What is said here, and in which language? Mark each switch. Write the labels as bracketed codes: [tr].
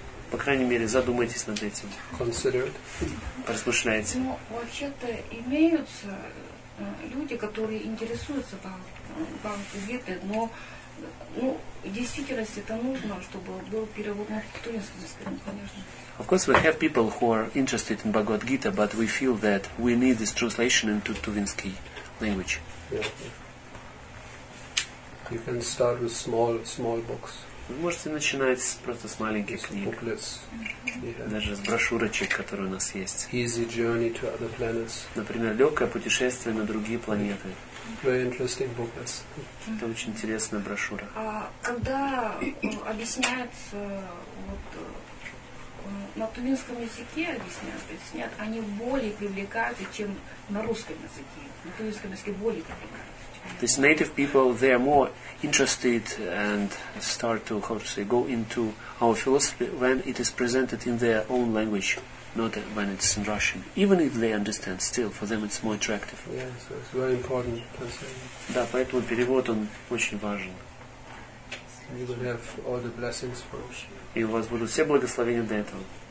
[ru] По крайней мере, задумайтесь над этим. [en] Consider it. [ru] Размышляйте. Ну, вообще-то имеются люди, которые интересуются Бхагавад-гитой, но ну, в действительности это нужно, чтобы был перевод на турецкий язык, конечно. [en] Of course, we have people who are interested in Bhagavad Gita, but we feel that we need this translation into Tuvinsky language. Yeah. You can start with small books. [ru] Вы можете начинать просто с маленьких книг. [en] Booklets, [ru] даже с брошюрочек, которые у нас есть. [en] Easy journey to other planets. [ru] Например, легкое путешествие на другие планеты. [en] Very interesting booklets. [ru] Это очень интересная брошюра. А когда объясняется вот на тувинском языке объясняют, они более привлекаются, чем на русском языке. На тувинском языке более привлекаются. То есть [en] native people, they are more interested and start to, how to say, go into our philosophy when it is presented in their own language, not when it's in Russian. Even if they understand, still, for them it's more attractive. Yeah, so it's very important. [ru] Да, поэтому перевод, он очень важен. [en] You will have all the blessings for us. [ru] И у вас будут все благословения для этого.